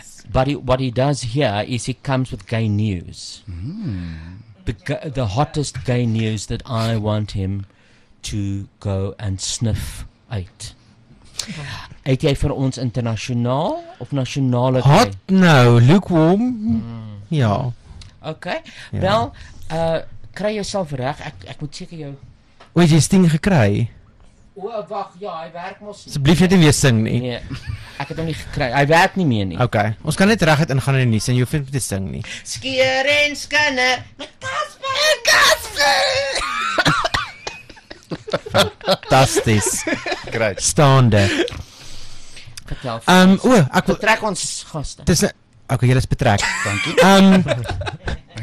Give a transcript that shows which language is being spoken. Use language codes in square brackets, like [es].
[en] But what he does here is he comes with gay news. The hottest gay news that I want him to go and sniff out. [af] Het jy vir ons internasionaal of nasionale gay? Hot nou, lukewarm. Ja. Okay, ja. Wel, kry jouself reg, ek moet seker jou... O, jy is ding gekry? O, wacht, ja, hy werk mos nie. Asseblief jy nie weer sing nie. Nee, ek het hom nie gekry, hy werk nie meer nie. Okay, ons kan net reg uit ingaan in die sing, jy hoef nie te sing nie. Skeer en skinner, met Kasper en Kasper! Fantasties. [en] Great. [af] Staande. Vertel vir ons. Ek wil... Betrek ons gaste. Dis nou... Okay, jy is betrek. Dankie.